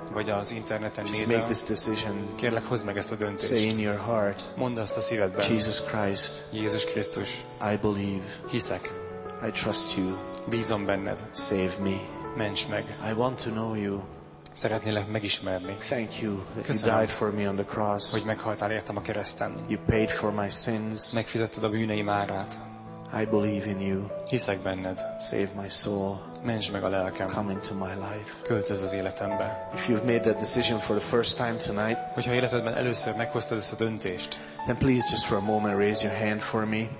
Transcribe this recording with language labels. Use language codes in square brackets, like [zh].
[hu] vagy az interneten [en] just [hu] nézel, [en] make this decision. [hu] Kérlek, hozd meg ezt a döntést. [en] Say in your heart, [hu] mondd azt a szívedben, [en] Jesus Christ, [hu] Jézus Krisztus, [en] I believe, [hu] hiszek, [en] I trust you, [hu] bízom benned, [en] save me, [hu] ments meg, [en] I want to know you, [hu] szeretnélek megismerni. [en] Thank you that you died for me on the cross. [hu] Hogy meghaltál értem a kereszten. [en] You paid for my sins. [hu] Megfizetted a bűneim árát. [en] I believe in you. [hu] Hiszek benned. [en] Save my soul. [hu] Mentsd meg a lelkem. [en] Come into my life. [hu] Költözz az életembe. [en] If you've made that decision for the first time tonight, [hu] hogyha életedben először meghoztad ezt a döntést, [en] then please just for a moment raise your hand for me.